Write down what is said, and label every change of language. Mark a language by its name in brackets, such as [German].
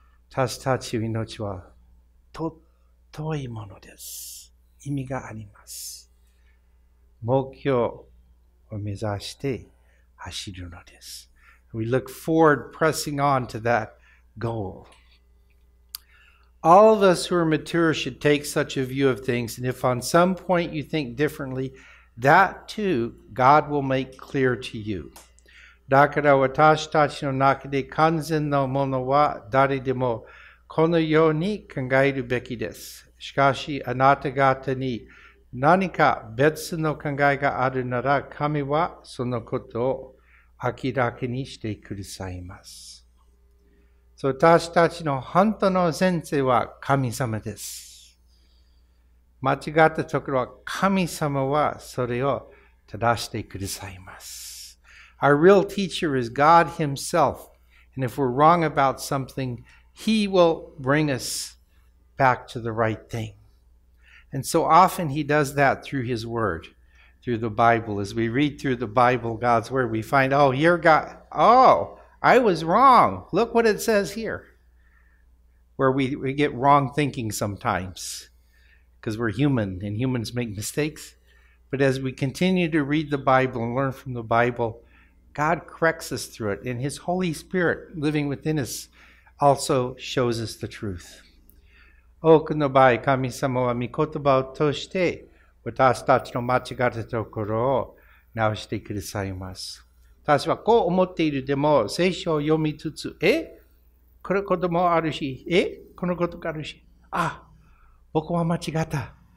[Japanese] 私たちの命は尊いものです。意味があります。目標を目指して走るのです。 [English] We look forward, pressing on to that goal. All of us who are mature should take such a view of things, and if on some point you think differently, that too God will make clear to you. [Japanese] だから私たちの中で完全なものは誰でもこのように考えるべきです。しかし、あなた方に何か別の考えがあるなら、神はそのことを明らかにしてくださいます。 So, 私たちの本当の先生は神様です。間違ったところは神様はそれを正してくださいます。 [English] Our real teacher is God Himself, and if we're wrong about something, He will bring us. Back to the right thing. And so often he does that through his word, through the Bible. As we read through the Bible, God's word, we find, oh, here God, oh, I was wrong. Look what it says here. Where we get wrong thinking sometimes because we're human and humans make mistakes. But as we continue to read the Bible and learn from the Bible, God corrects us through it. And his Holy Spirit living within us also shows us the truth. [Japanese] 多くの場合、神様は御言葉を通して私たちの間違ったところを直してくださいます。私はこう思っているでも、聖書を読みつつ、これこともあるし、このことがあるし、僕は間違った。